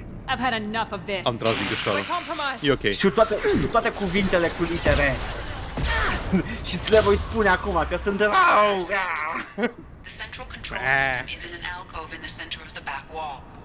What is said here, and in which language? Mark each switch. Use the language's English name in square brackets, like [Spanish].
[English] I've had enough of this. Am tras din greșeală. [Romanian] E ok. Știu toate cuvintele cu litere. Și ți le voi spune acum că sunt rău. [English] The central control system is in an alcove in the center of the back wall.